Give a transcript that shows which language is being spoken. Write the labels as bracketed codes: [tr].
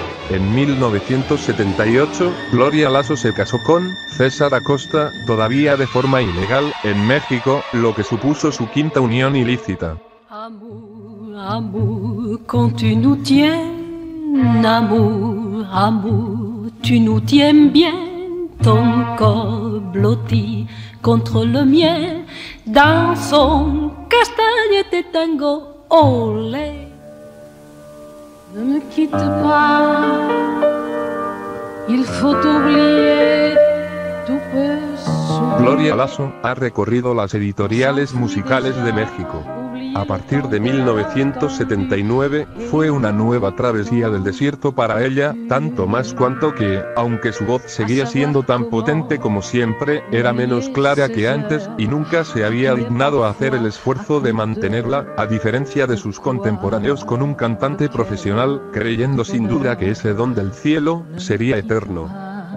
[es] En 1978, Gloria Lasso se casó con César Acosta, todavía de forma ilegal, en México, lo que supuso su quinta unión ilícita. [fr] Amour, amour, quand tu nous tiens, amour, amour, tu nous tiens bien, ton corps blotti contre le mien, dansons, castagne [es] te tengo, olé. [fr] Ne me quitte pas, il faut oublier tout peut souffrir. [es] Gloria Lasso ha recorrido las editoriales musicales de México. A partir de 1979, fue una nueva travesía del desierto para ella, tanto más cuanto que, aunque su voz seguía siendo tan potente como siempre, era menos clara que antes, y nunca se había dignado a hacer el esfuerzo de mantenerla, a diferencia de sus contemporáneos con un cantante profesional, creyendo sin duda que ese don del cielo, sería eterno.